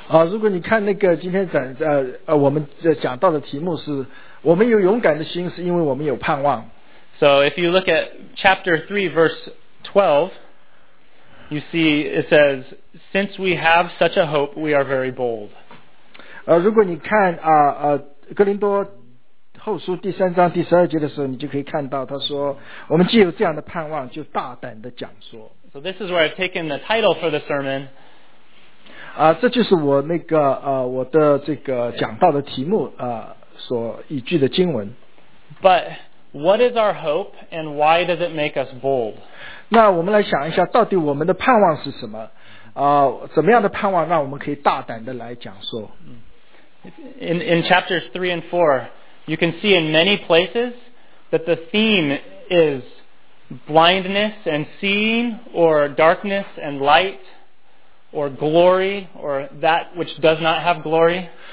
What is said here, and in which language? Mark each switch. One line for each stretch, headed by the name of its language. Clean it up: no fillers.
Chinese: 如果你看那个今天讲我们讲到的题目是我们有勇敢的心是因为我们有盼望。
English: So if you look at chapter 3 verse 12, you see it says, Since we have such a hope, we are very bold.
Chinese: 如果你看哥林多后书第三章第十二节的时候，你就可以看到他说：“我们既有这样的盼望，就大胆的讲说。”
English: So this is where I've taken the title for the sermon.
Chinese: 这就是我那个我的这个讲到的题目所依据的经文。
English: But what is our hope, and why does it make us bold?
Chinese: 那我们来想一下，到底我们的盼望是什么？怎么样的盼望让我们可以大胆的来讲说
English: ？In chapters 3 and 4. You can see in many places that the theme is blindness and seeing, or darkness and light, or glory, or that which does not have glory.